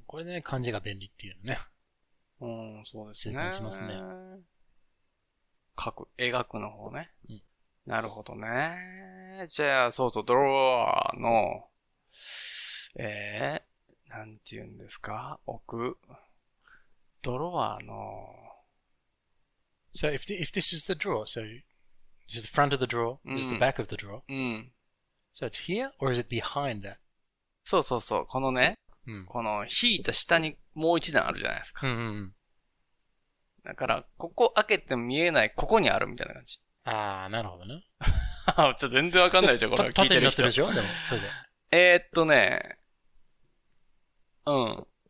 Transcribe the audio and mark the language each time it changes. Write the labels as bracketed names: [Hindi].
[Japanese] これでね、漢字が便利っていうのね。そうですね。正解しますね。描く、描くの方ね。うん。なるほどね。じゃあ、そうそう、ドローの、なんて言うんですか? 奥。ドローの。 [English] So, if this is the drawer, so, this is the front of the drawer, this is the back of the drawer. [Japanese] うん。 [English] So, it's here, or is it behind that? [Japanese] そうそうそう。このね、うん、この引いた下にもう一段あるじゃないですか。うん、うん。だから、ここ開けても見えない、ここにあるみたいな感じ。あー、なるほどね。ちょっと全然わかんないでしょ、これ。縦になってるでしょでも、それで。ね。うん。